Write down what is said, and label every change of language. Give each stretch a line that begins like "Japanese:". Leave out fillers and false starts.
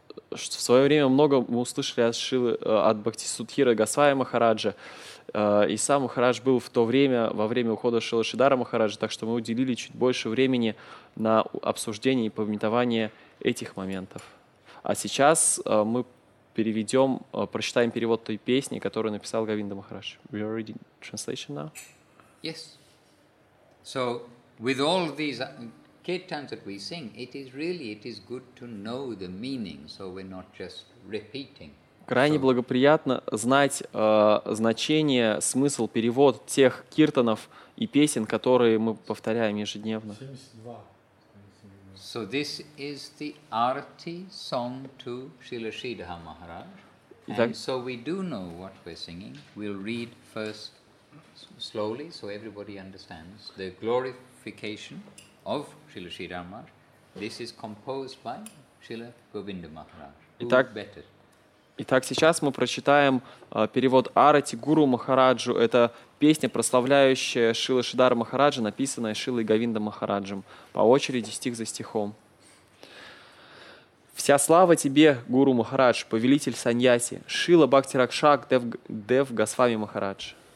Russian: В свое время много мы услышали от Бхактисудхира Госвами Махараджа, и сам Махарадж был в то время, во время ухода Шрилы Шридхара Махараджа, так что мы уделили чуть больше времени на обсуждение и памятование этих моментов. А сейчас мы переведем, прочитаем перевод той песни, которую написал Говинда Махарадж.
English: We are reading translation now? Yes. So, with all these... Kirtans that we sing, it is good to know the meaning, so we're not just repeating. Крайне благоприятно знать значение, смысл, перевод тех киртанов и песен, которые мы повторяем ежедневно. So this is the arati song to Srila Sridhara Maharaj. And so we do know what we're singing. We'll read first slowly, so everybody understands the glorification of Srila Sridhara Maharaj. This is composed by Srila Govinda Maharaj. Who better?
Russian: Итак, сейчас мы прочитаем перевод Арати Гуру Махараджу. Это песня, прославляющая Шрилу Шридхара Махараджа, написанная Шрилой Говинда Махараджем. По очереди, стих за стихом. Вся слава тебе, Гуру Махарадж, повелитель саньяси, Шрила Бхакти Ракшак Дев Госвами Махарадж.